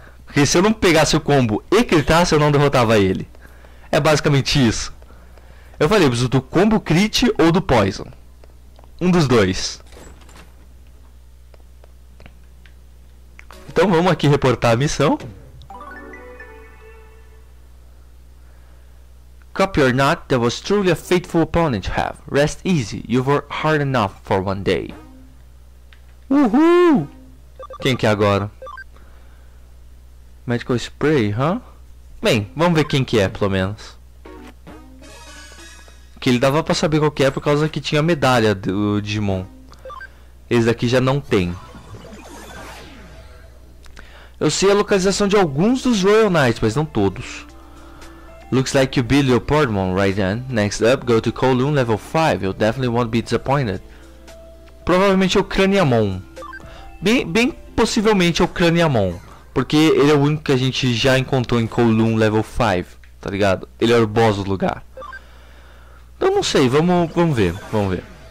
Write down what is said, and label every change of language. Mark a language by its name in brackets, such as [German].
[Portuguese] Porque se eu não pegasse o combo e critasse, eu não derrotava ele. É basicamente isso. Eu falei, eu preciso do combo crit ou do poison. Um dos dois. Então vamos aqui reportar a missão. [English] Copy or not, that was truly a fateful opponent you have. Rest easy, you worked hard enough for one day. [Portuguese] Uhul! Quem que é agora? Medical Spray, hã? Huh? Bem, vamos ver quem que é, pelo menos. Que ele dava pra saber qual que é por causa que tinha a medalha do Digimon. Esse daqui já não tem. Eu sei a localização de alguns dos Royal Knights, mas não todos. [English] Looks like you beat Leopardmon, right then. Next up, go to Kowloon level 5. You definitely won't be disappointed. [Portuguese] Provavelmente é o Craniamon. Bem possivelmente é o Craniamon. Porque ele é o único que a gente já encontrou em Kowloon level 5. Tá ligado? Ele é o boss do lugar. Então não sei, vamos ver. Vamos ver.